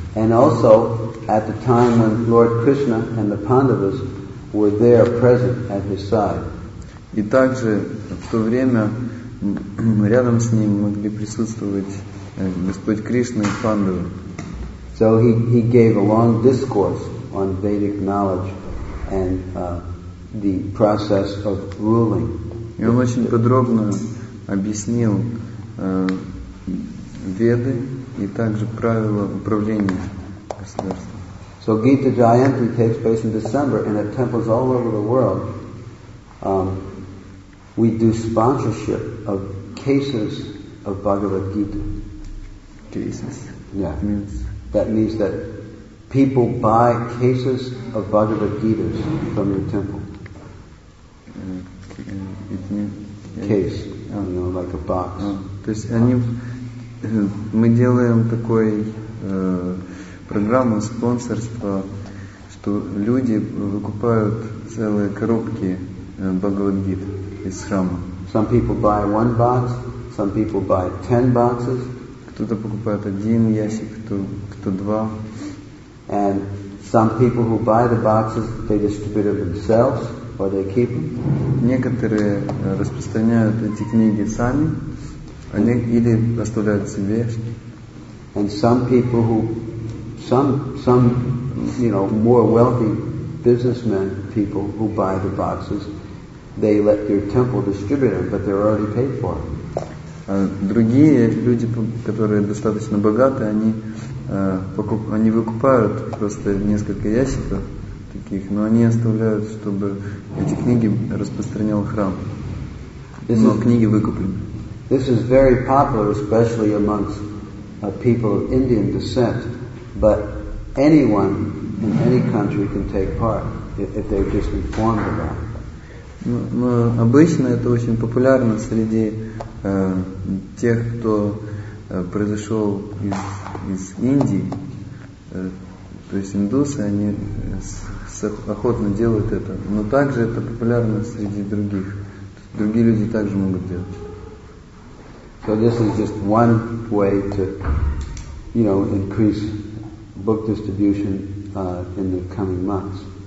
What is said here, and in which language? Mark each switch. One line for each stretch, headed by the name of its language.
English: And also at the time when Lord Krishna and the Pandavas were there present at his side.
Russian: И также в то время рядом с ним могли присутствовать Господь Кришна и Пандавы.
English: So he gave a long discourse on Vedic knowledge and the process of ruling.
Russian: И он очень подробно объяснил Веды и также правила управления государством.
English: So Gita Jayanti takes place in December and at temples all over the world we do sponsorship of cases of Bhagavad Gita. Cases? Yeah. That means that people buy cases of Bhagavad Gita from your temple. Case. You know, like a box.
Russian: То есть они, мы делаем такой программу спонсорства, что люди выкупают целые коробки Бхагавад-гит из храма.
English: Some people buy one box, some people buy 10 boxes.
Russian: Кто-то покупает один ящик, кто два.
English: And some people who buy the boxes, they distribute it themselves. Or they keep them.
Russian: Некоторые распространяют эти книги сами, они или оставляют себе.
English: And some people who, some you know, more wealthy businessmen people who buy the boxes, they let their temple distribute them, but they're already paid for.
Russian: Другие люди, которые достаточно богаты, они выкупают просто несколько ящиков. Таких, но они оставляют, чтобы эти книги распространял храм. Но книги выкуплены.
English: This is very popular, especially amongst people of Indian descent. But anyone in any country can take part if they're just informed about it.
Russian: Но обычно это очень популярно среди тех, кто произошел из Индии. То есть индусы, они охотно делают это, но также это популярно среди других. Другие люди также могут делать.
English: So this is just one way to, you know, increase book distribution in the coming months.